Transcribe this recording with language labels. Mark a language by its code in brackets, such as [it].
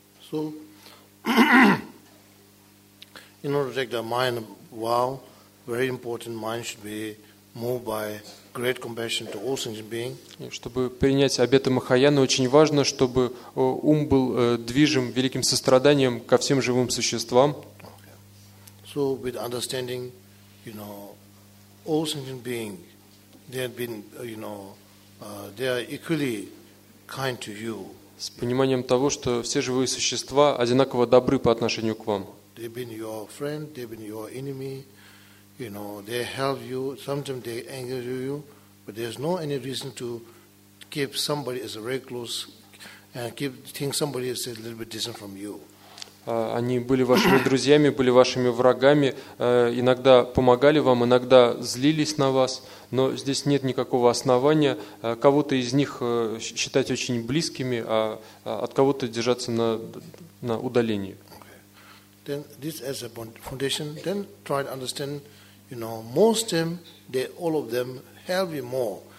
[en] So, in order to take the mind well, very important mind should be moved by great compassion to all sentient beings. [ru] Чтобы принять обеты Махаяны, очень важно, чтобы ум был движим великим состраданием ко всем живым существам. [en] So with understanding, you know, all sentient beings, they have been, you know, they are equally kind to you. [ru] С пониманием того, что все живые существа одинаково добры по отношению к вам. [en] They've been your friend, they've been your enemy, you know, they help you, sometimes they anger you, but there's no any reason to keep somebody as a very close and keep think somebody is a little bit distant from you. [ru] Они были вашими друзьями, были вашими врагами, иногда помогали вам, иногда злились на вас, но здесь нет никакого основания кого-то из них считать очень близкими, а от кого-то держаться на удалении. [en] Okay. Then this as a foundation, then try to understand, you know, most of them, they all of them help you more.